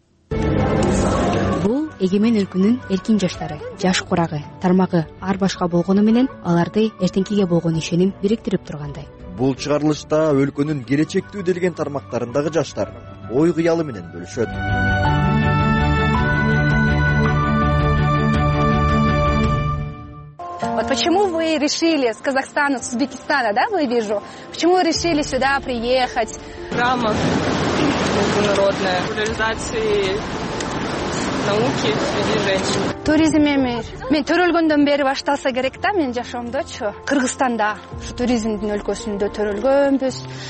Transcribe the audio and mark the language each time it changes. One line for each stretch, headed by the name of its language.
Kyrgyz: Бул эгемен өлкөнүн эркин жаштары, жаш курагы тармагы ар башка болгону менен аларды эртеңкиге болгон ишеним бириктирип тургандай. Бул чыгарылышта өлкөнүн келечектүү делген тармактарындагы жаштар ой кыялы менен бөлүшөт.
Russian: Вот почему вы решили с Казахстана, с Узбекистана, да, вы вижу? Почему вы решили сюда приехать? Программа международная популяризации науки среди женщин.
Kyrgyz: Туризм эмес. Мен төрөлгөндөн бери башталса керек да мен жашоомдочу. Кыргызстанда ушу туризмдин өлкөсүндө төрөлгөнбүз.